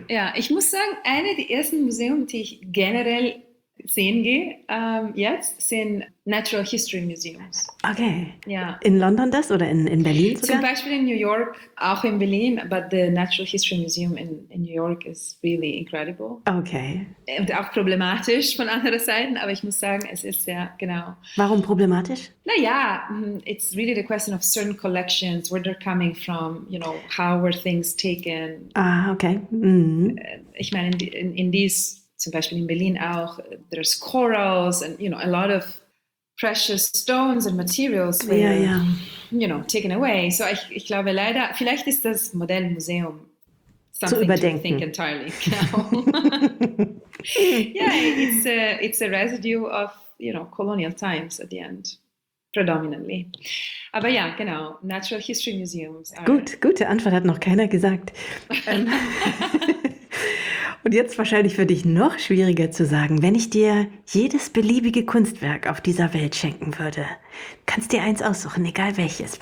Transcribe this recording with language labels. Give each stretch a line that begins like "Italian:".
German: Ja, ich muss sagen, eine der ersten Museen, die ich generell sehen gehe, jetzt, sind Natural History Museums. Okay. Ja. In London das oder in Berlin sogar? Zum Beispiel in New York, auch in Berlin,
English: but the Natural History Museum in New York is really incredible. Okay.
German: Und auch problematisch von anderer Seite, aber ich muss sagen, es ist sehr, genau. Warum problematisch? Naja,
English: it's really the question of certain collections, where they're coming from, how were things taken.
German: Ah, okay. Ich meine,
English: in these,
German: zum Beispiel in Berlin auch,
English: there's corals and, a lot of precious stones and materials were, taken away.
German: So ich glaube leider, vielleicht ist das moderne Museum
English: something
German: zu überdenken.
English: To think entirely. it's a residue of, colonial times at the end, predominantly.
German: Aber ja, genau, Natural History Museums. Gute Antwort, hat noch keiner gesagt. Und jetzt wahrscheinlich für dich noch schwieriger zu sagen, wenn ich dir jedes beliebige Kunstwerk auf dieser Welt schenken würde, kannst dir eins aussuchen, egal welches.